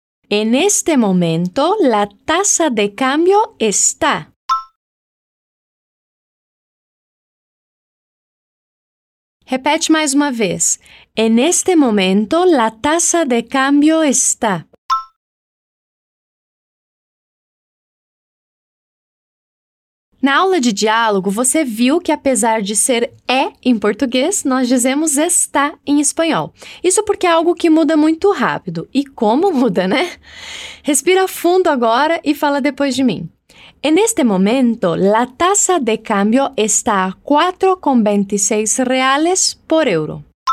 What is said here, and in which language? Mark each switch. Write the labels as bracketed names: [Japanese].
[Spanish] En este momento, la tasa de cambio está. [Portuguese] Repete mais uma vez. [Spanish] En este momento, la tasa de cambio está. [Portuguese] Na aula de diálogo, você viu que apesar de ser é em português, nós dizemos está em espanhol. Isso porque é algo que muda muito rápido. E como muda, né? Respira fundo agora e fala depois de mim. [Spanish] En este momento, la tasa de cambio está a 4,26 reales por euro.